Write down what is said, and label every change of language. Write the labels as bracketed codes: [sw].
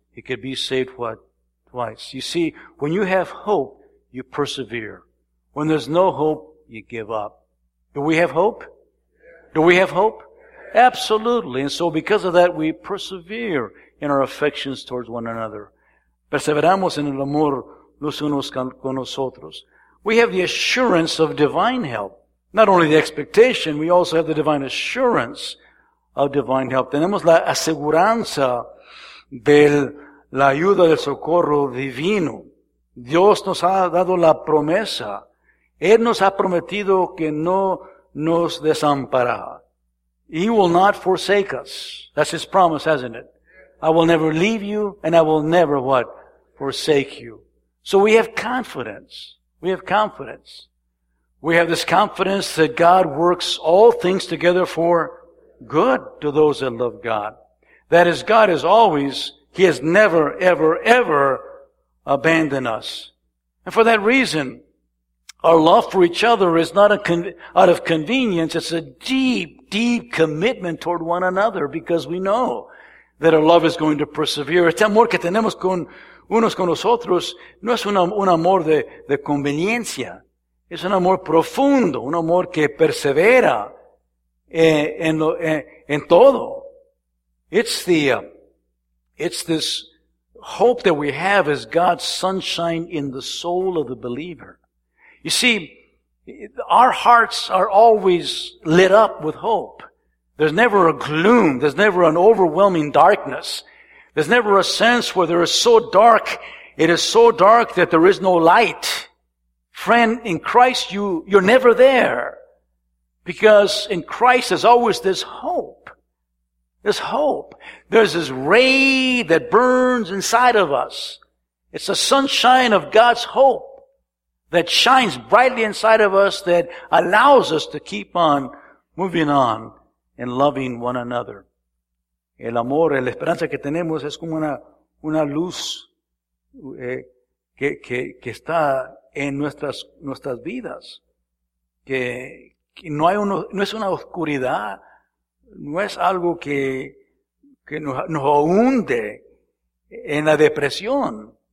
[en] He could be saved what? Twice. You see, when you have hope, you persevere. When there's no hope, you give up. Do we have hope? Do we have hope? Absolutely. And so because of that, we persevere in our affections towards one another. [es] Perseveramos en el amor los unos con nosotros. [en] We have the assurance of divine help. Not only the expectation, we also have the divine assurance of divine help. [es] Tenemos la aseguranza de la ayuda del socorro divino. Dios nos ha dado la promesa. Él nos ha prometido que no nos desamparará. [en] He will not forsake us. That's His promise, hasn't it? I will never leave you, and I will never what? Forsake you. So we have confidence. We have confidence. We have this confidence that God works all things together for good to those that love God. That is, God is always, He has never, ever, ever abandoned us. And for that reason, our love for each other is not out of convenience. It's a deep, deep commitment toward one another because we know that our love is going to persevere. [es] Este amor que tenemos con unos con nosotros no es un amor de conveniencia. Es un amor profundo, un amor que persevera en todo. [en] It's this hope that we have as God's sunshine in the soul of the believer. You see, our hearts are always lit up with hope. There's never a gloom. There's never an overwhelming darkness. There's never a sense where there is so dark, it is so dark that there is no light. Friend, in Christ, you're never there. Because in Christ, there's always this hope. This hope. There's this ray that burns inside of us. It's the sunshine of God's hope that shines brightly inside of us that allows us to keep on moving on and loving one another. [es] El amor, la esperanza que tenemos es como una luz que está en nuestras vidas, que no es una oscuridad, no es algo que nos hunde en la depresión.